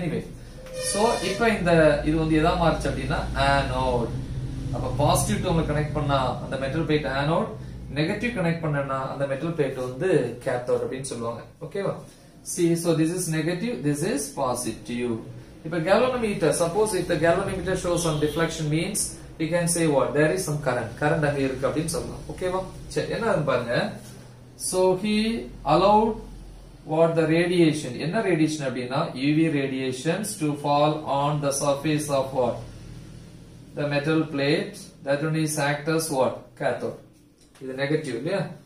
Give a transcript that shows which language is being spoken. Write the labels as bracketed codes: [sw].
[ta] Anyway, so இப்ப இந்த இது வந்து எதா மாறுச்சு அப்படின்னா ஆனோட். அப்ப பாசிட்டிவ் டோம்ல கனெக்ட் பண்ணா அந்த metal plate anode, negative connect பண்ணனா அந்த மெட்டல் பிளேட் வந்து கேத்தோட் அப்படின்னு சொல்லுவாங்க, ஓகேவா. C, [en] So this is negative, this is positive. If a galvanometer, suppose if the galvanometer shows some deflection, means we can say what? There is some current. [ta] Current அங்க இருக்கு அப்படின்னு சொல்லலாம். ஓகேவா? சரி என்னன்னு பாருங்க. [en] So he allowed what the radiation. என்ன radiation அப்படின்னா UV radiations to fall on the surface of what? The metal plate. That one is act as what? Cathode. [ta] இது negative இல்லையா?